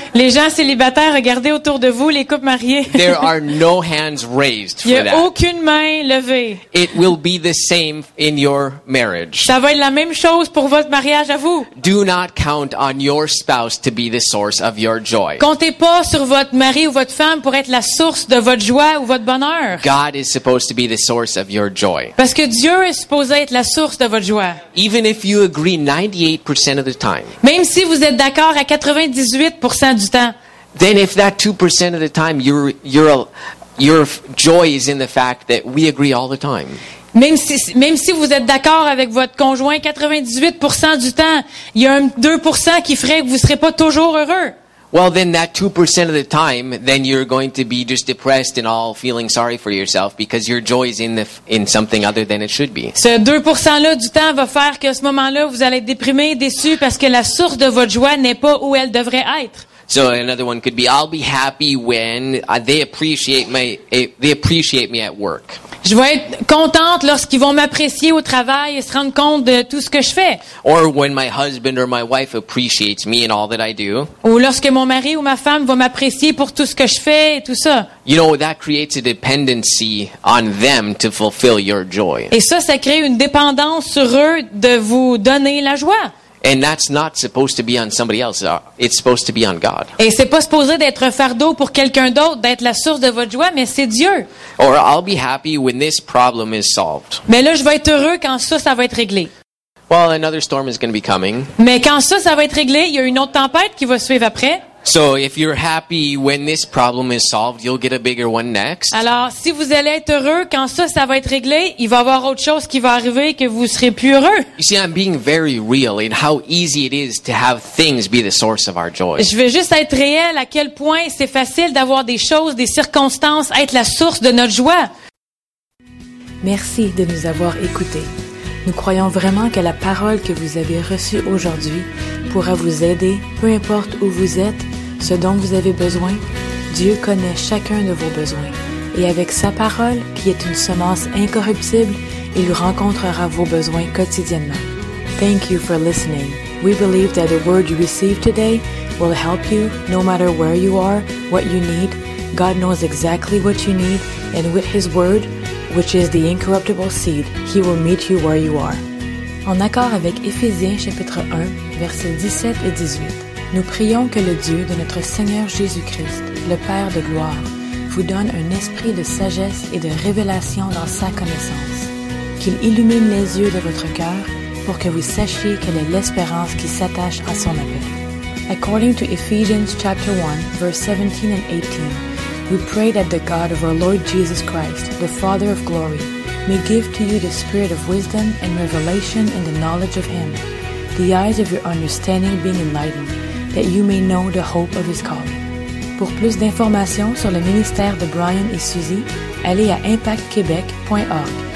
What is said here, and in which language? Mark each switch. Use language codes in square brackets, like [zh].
[fr] Les gens célibataires, regardez autour de vous, les couples mariés. [en] There are no hands raised for that. [fr] Il n'y a aucune main levée. [en] It will be the same in your marriage. [fr] Ça va être la même chose pour votre mariage à vous. [en] Do not count on your spouse to be the source of your joy. [fr] Comptez pas sur votre mari ou votre femme pour être la source de votre joie ou votre bonheur. [en] God is supposed to be the source of your joy. [fr] Parce que Dieu est supposé être la source de votre joie. [en] Even if you agree 98% of the time. [fr] Même si vous êtes d'accord à 98% du temps, [en] then if that 2% of the time your joy is in the fact that we agree all the time. [fr] Même si vous êtes d'accord avec votre conjoint 98% du temps, il y a un 2% qui ferait que vous serez pas toujours heureux. [en] Well, then that 2% of the time, then you're going to be just depressed and all feeling sorry for yourself because your joy is in something other than it should be. [fr] Ce 2%-là du temps va faire qu'à ce moment-là, vous allez être déprimé, déçu parce que la source de votre joie n'est pas où elle devrait être. [en] So another one could be, I'll be happy when they appreciate me at work. [fr] Je vais être contente lorsqu'ils vont m'apprécier au travail et se rendre compte de tout ce que je fais. [en] Or when my husband or my wife appreciates me and all that I do. [fr] Ou lorsque mon mari ou ma femme va m'apprécier pour tout ce que je fais et tout ça. [en] You know, that creates a dependency on them to fulfill your joy. [fr] Et ça crée une dépendance sur eux de vous donner la joie. [en] And that's not supposed to be on somebody else. It's supposed to be on God. [fr] Et c'est pas supposé d'être un fardeau pour quelqu'un d'autre, d'être la source de votre joie, mais c'est Dieu. [en] Or I'll be happy when this problem is solved. [fr] Mais là, je vais être heureux quand ça va être réglé. [en] Well, another storm is going to be coming. [fr] Mais quand ça va être réglé, il y a une autre tempête qui va suivre après. [en] So if you're happy when this problem is solved, you'll get a bigger one next. [fr] Alors, si vous allez être heureux quand ça va être réglé, il va y avoir autre chose qui va arriver que vous serez plus heureux. [en] You see, I'm being very real in how easy it is to have things be the source of our joy. [fr] Je veux juste être réel à quel point c'est facile d'avoir des choses, des circonstances être la source de notre joie. Merci de nous avoir écoutés. Nous croyons vraiment que la parole que vous avez reçue aujourd'hui pourra vous aider, peu importe où vous êtes, ce dont vous avez besoin. Dieu connaît chacun de vos besoins. Et avec sa parole, qui est une semence incorruptible, il rencontrera vos besoins quotidiennement. [en] Thank you for listening. We believe that the word you receive today will help you, no matter where you are, what you need. God knows exactly what you need, and with His word, which is the incorruptible seed, He will meet you where you are. [fr] En accord avec Éphésiens chapitre 1, versets 17 et 18, nous prions que le Dieu de notre Seigneur Jésus-Christ, le Père de gloire, vous donne un esprit de sagesse et de révélation dans sa connaissance, qu'il illumine les yeux de votre cœur pour que vous sachiez quelle est l'espérance qui s'attache à son appel. [en] According to Ephesians chapter 1, verse 17 and 18, we pray that the God of our Lord Jesus Christ, the Father of glory, may give to you the spirit of wisdom and revelation in the knowledge of Him, the eyes of your understanding being enlightened, that you may know the hope of His calling. [fr] Pour plus d'informations sur le ministère de Brian et Suzy, allez à impactquebec.org.